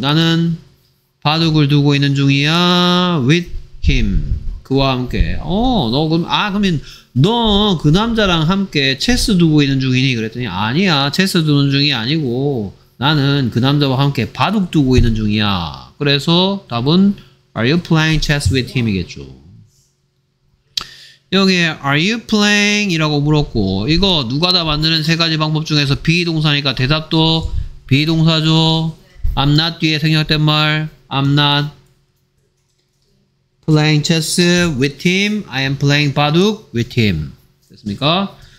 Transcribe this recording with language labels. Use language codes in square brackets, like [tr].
[ko] 나는 바둑을 두고 있는 중이야. [en] With him. [ko] 그와 함께. 어, 너 그럼, 아, 그러면 너 그 남자랑 함께 체스 두고 있는 중이니? 그랬더니 아니야. 체스 두는 중이 아니고 나는 그 남자와 함께 바둑 두고 있는 중이야. 그래서 답은 [en] Are you playing chess with him? [ko] 이겠죠. 여기에 [en] Are you playing? [ko] 이라고 물었고 이거 누가 다 만드는 세 가지 방법 중에서 비동사니까 대답도 비동사죠. [en] I'm not [ko] 뒤에 생략된 말. [en] I'm not playing chess with him. I am playing 바둑 with him. [ko] 됐습니까?